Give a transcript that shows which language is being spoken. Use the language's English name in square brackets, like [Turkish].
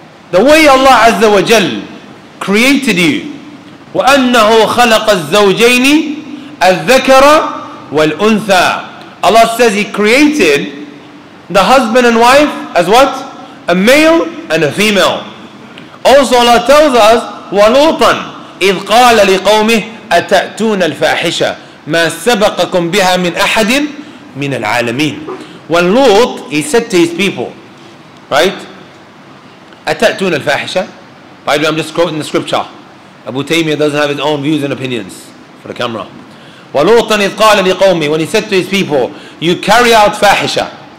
[English] The way Allah Azza wa Jal created you, [Arabic] وَأَنَّهُ خَلَقَ الزَّوْجَيْنِ الذَّكَرَ وَالْأُنْثَى. [English] Allah says He created the husband and wife as what? A male and a female. Also Allah tells us, [Arabic] وَلُوطًا إِذْ قَالَ لِقَوْمِهِ أَتَأْتُونَ الْفَاحِشَةِ مَا سَبَقَكُمْ بِهَا مِنْ أَحَدٍ مِنَ الْعَالَمِينَ. [English] When Lut, He said to His people, right? [Arabic] أَتَأْتُونَ الْفَاحِشَةِ. [English] By the way, I'm just quoting the scripture. Abu Taymiyyah doesn't have his own views and opinions for the camera. [Arabic] وَلُوطًا إِذْ قَالَ لِقَوْمِهِ. [English] When He said to His people, you carry out fahisha.